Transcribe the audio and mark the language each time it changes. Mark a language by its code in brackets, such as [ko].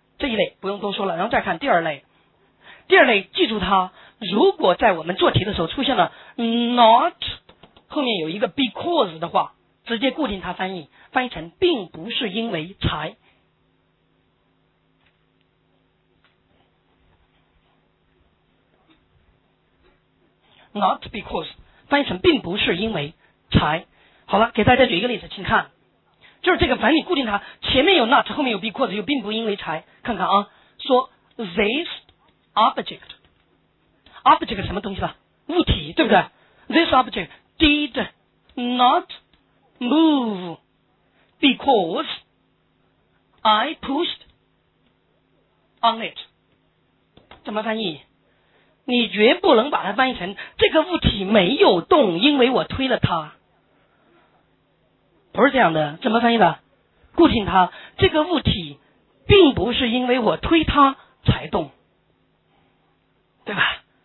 [zh] 这一类不用多说了。然后再看第二类，第二类记住它，如果在我们做题的时候出现了 not 后面有一个 because 的话，直接固定它翻译，翻译成并不是因为才， [en] not because [zh] 翻译成并不是因为才。好了，给大家举一个例子，请看，就是这个，反正你固定它，前面有 not， 后面有 because， 又并不因为才。看看啊，说 this object， object 什么东西吧，物体，对不对？ [en] this object did not move because I pushed on it， [zh] 怎么翻译？你绝不能把它翻译成这个物体没有动因为我推了它，不是这样的。怎么翻译的？固定它，这个物体并不是因为我推它才动，对吧？